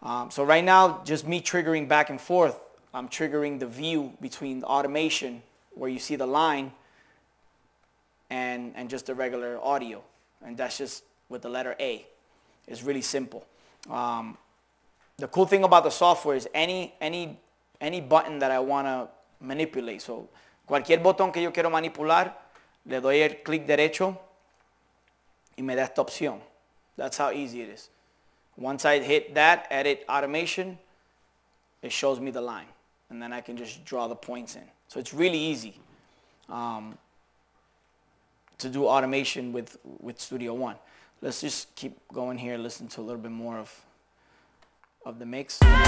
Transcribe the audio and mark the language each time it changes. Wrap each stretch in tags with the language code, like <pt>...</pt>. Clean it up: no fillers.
<en>So right now, just me triggering back and forth, I'm triggering the view between the automation where you see the line and just the regular audio. And that's just with the letter A. It's really simple. The cool thing about the software is any button that I want to manipulate.</en> <es>So cualquier botón que yo quiero manipular, le doy el clic derecho y me da esta opción.</es> <en>That's how easy it is. Once I hit that, edit automation, it shows me the line. And then I can just draw the points in. So it's really easy to do automation with Studio One. Let's just keep going here and listen to a little bit more of the mix.</en>